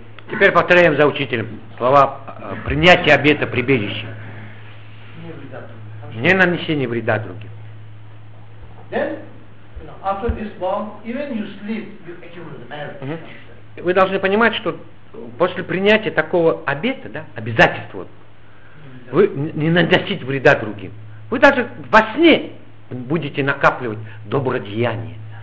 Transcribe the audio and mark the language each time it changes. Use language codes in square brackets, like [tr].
[ru] Теперь повторяем за учителем слова принятия обета прибежища. Не вреда другим. Не нанесение вреда другим. [en] Then, you know, after this bomb, even you sleep, you accumulate merit. [ru] Вы должны понимать, что после принятия такого обета, да, обязательства, вы не наносите вреда другим. Вы даже во сне будете накапливать добродеяние.